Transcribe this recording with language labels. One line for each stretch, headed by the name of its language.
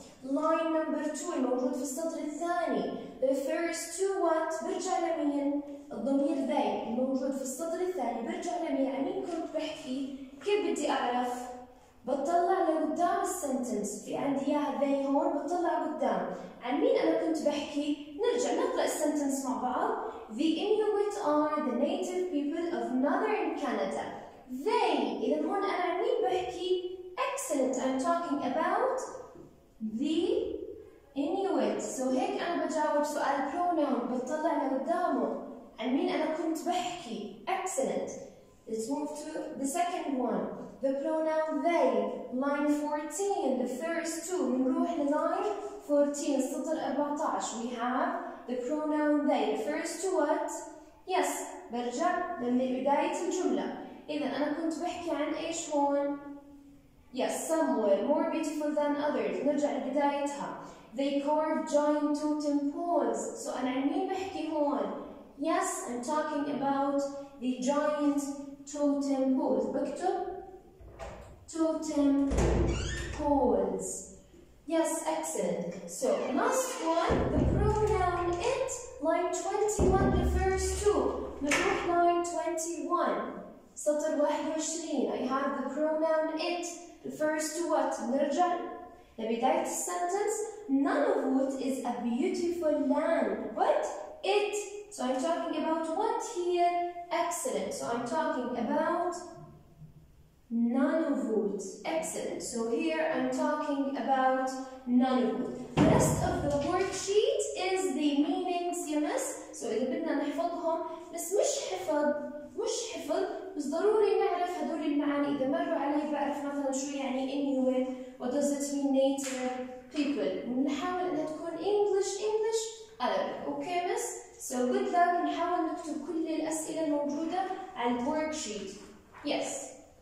English: Line number 2
Arabic: الموجود في السطر الثاني
English: refers to what؟
Arabic: برجع لمين؟ الضمير they الموجود في السطر الثاني برجع لمين؟ عمين كنت بحكي؟ كيف بدي أعرف؟ بطلع لقدام السنتنس. في عندي ياها they هون, بطلع قدام. عن مين أنا كنت بحكي؟ نرجع نقرأ السنتنس مع بعض.
English: The Inuit are the native people of northern Canada. They,
Arabic: إذن هون أنا عن مين بحكي؟
English: Excellent, I'm talking about the Inuit.
Arabic: So هيك أنا بجاوب سؤال pronoun, بطلع لقدامه. عن مين أنا كنت بحكي؟
English: Excellent. Let's move to the second one. The pronoun they, line 14, the first two.
Arabic: نروح لline 14, السطر 14.
English: We have the pronoun they, refers to what?
Arabic: Yes, برجع من بداية الجملة. إذا أنا كنت بحكي عن إيش هون؟
English: Yes, somewhere, more beautiful than others.
Arabic: نرجع لبدايتها.
English: They carve giant totem poles. So
Arabic: أنا عن مين بحكي هون؟
English: Yes, I'm talking about the giant totem poles.
Arabic: بكتب totem poles.
English: Yes, excellent. So, last one, the pronoun it, line 21 refers to.
Arabic: نروح line 21. سطر 21.
English: I have the pronoun it refers to what?
Arabic: نرجع لبداية sentence.
English: None of what is a beautiful land. What? It. So, I'm talking about what here? Excellent. So I'm talking about nanovolt. Excellent. So here I'm talking about nanovolt. The rest of the worksheet is the meanings, yes.
Arabic: So إذا بدنا نحفظهم بس مش حفظ مش حفظ بس ضروري نعرف هدول المعاني إذا مروا علي بعرف مثلا شو يعني Inuit
English: what does it mean native people
Arabic: ونحاول إنها تكون
English: English English Arabic okay miss so good luck
Arabic: نحاول نكتب كل الأسئلة الموجودة على الworksheet yes